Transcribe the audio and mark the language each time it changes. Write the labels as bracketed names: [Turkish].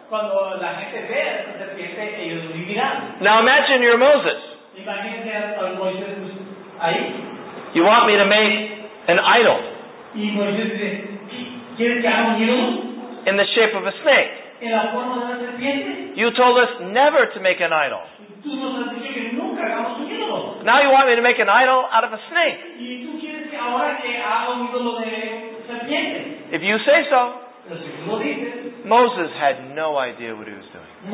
[Spanish] Cuando la gente ve a esa serpiente, ellos vivirán. [English] Now imagine you're Moses. [Spanish] Imagínate a Moisés ahí. [English] You want me to make an idol. [Spanish] Y Moisés dice, ¿quieres que haga un ídolo? [English] In the shape of a snake. [Spanish] En la forma de una serpiente. [English] You told us never to make an idol. [Spanish] Tú nos has dicho que nunca hagamos un ídolo. [English] Now you want me to make an idol out of a snake. [Spanish] Y tú quieres que ahora que haga un ídolo de serpiente. [English] If you say so. [Spanish] Dices, [English] Moses had no idea what he was doing.